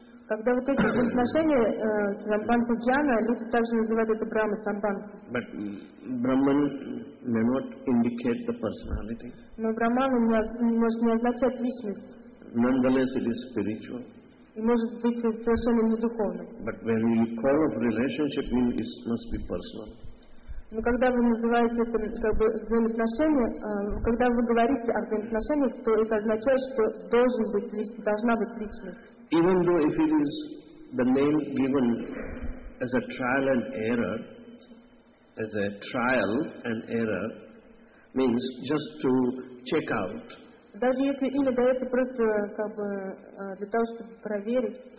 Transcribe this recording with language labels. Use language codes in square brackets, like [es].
[ru] Когда вот эти отношения с сампанха джьяна, люди также называют это брахма сампанха. [en] But brahman may not indicate the personality. [ru] Но брахман может не означать личность. [en] Nonetheless, it is spiritual. [ru] И может быть совершенно не духовным. [en] But when you call of relationship, it must be personal. [ru] Но когда вы называете это как бы взаимоотношения, когда вы говорите о взаимоотношениях, то это означает, что должен быть лист, должна быть личность. [en] Even though if it is the name given as a trial and error, as a trial and error, means just to check out. [ru] Даже если имя дается просто как бы для того, чтобы проверить.